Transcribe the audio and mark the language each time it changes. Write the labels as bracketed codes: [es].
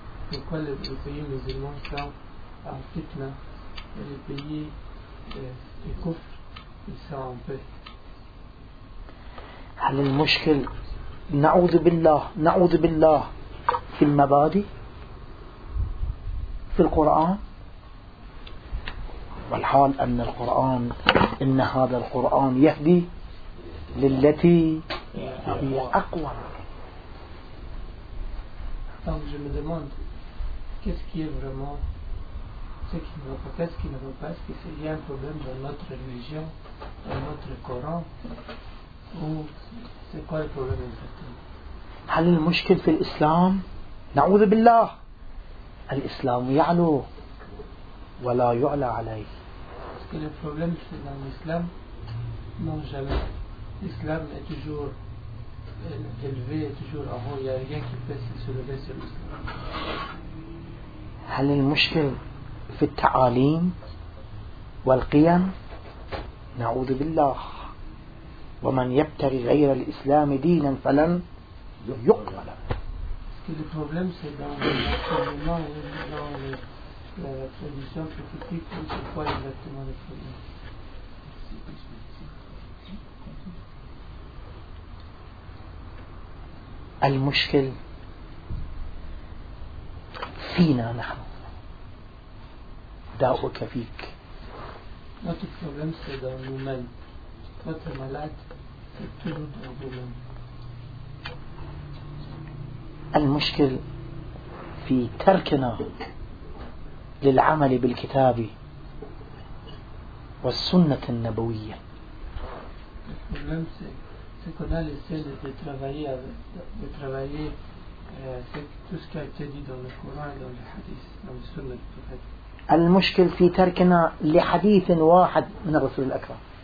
[fr] Pourquoi les pays musulmans sont en fitna et les pays du Kufr sont en paix? [ar] هل المشكل نعوذ بالله في المبادئ في القرآن؟ والحال أن القرآن، إن هذا القرآن يهدي للتي هي أقوى. [fr] Donc je me demande qu'est-ce qui est vraiment ce qui ne va pas, qu'est-ce qui ne va pas, est-ce qu'il y a un problème dans notre religion, dans notre Coran, ou c'est quoi le problème exactement? [ar] هل المشكل في الإسلام؟ نعوذ بالله. الإسلام يعلو ولا يعلى عليه. [fr] Est-ce que le problème c'est dans l'islam? Non, jamais. L'islam est toujours élevé, est toujours en haut. Il n'y a rien qui peut se lever sur l'islam. [ar] هل المشكل في التعاليم والقيم؟ نعوذ بالله. ومن يبتغي غير الإسلام دينا فلن يقبل. [fr] Est-ce que le problème c'est dans l'enseignement et dans la tradition politique, ou c'est quoi exactement le problème? [ar] المشكل فينا نحن. داؤك فيك. [fr] Notre problème c'est dans nous-mêmes. Notre malade c'est toujours dans nous-mêmes. [ar] المشكل في تركنا للعمل بالكتاب والسنة النبوية. [fr] Le problème c'est qu'on a laissé de travailler tout ce qui a été dit dans le Coran, dans le Hadith, dans le Sunna du Prophète. [ar] المشكل في تركنا لحديث واحد من الرسول الأكرم.